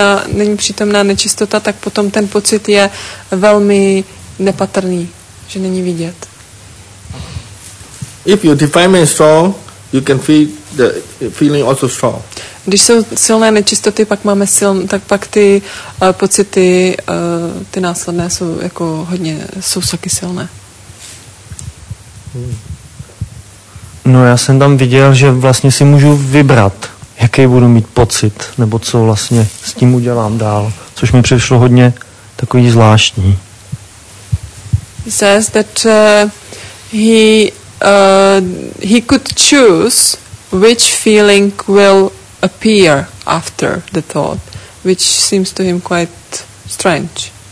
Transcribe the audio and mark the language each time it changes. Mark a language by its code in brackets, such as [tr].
[cs] není přítomná nečistota, tak potom ten pocit je velmi nepatrný, že není vidět. [en] If your defilement is strong, you can feel the feeling also strong. [cs] Když jsou silné nečistoty, pak máme pak ty pocity, ty následné jsou jako hodně, jsou taky silné. No, já jsem tam viděl, že vlastně si můžu vybrat, jaký budu mít pocit, nebo co vlastně s tím udělám dál, což mi přišlo hodně takový zvláštní. [en] He says that he could choose which feeling will appear after the thought, which seems to him quite strange.